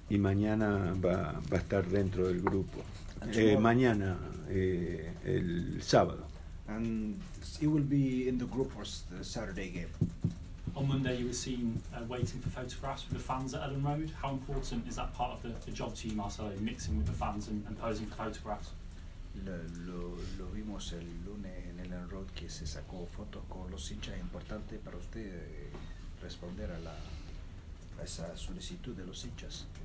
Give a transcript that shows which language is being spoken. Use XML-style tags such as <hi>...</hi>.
<es>Y mañana va a estar dentro del grupo. Mañana el sábado.</es> <en>And he will be in the group for the Saturday game. On Monday, you were seen waiting for photographs with the fans at Elland Road. How important is that part of the job to you, Marcelo, mixing with the fans and posing for photographs?</en> <es>Lo vimos el lunes en Elland Road que se sacó fotos con los hinchas. Importante para usted responder a esa solicitud de los hinchas.</es>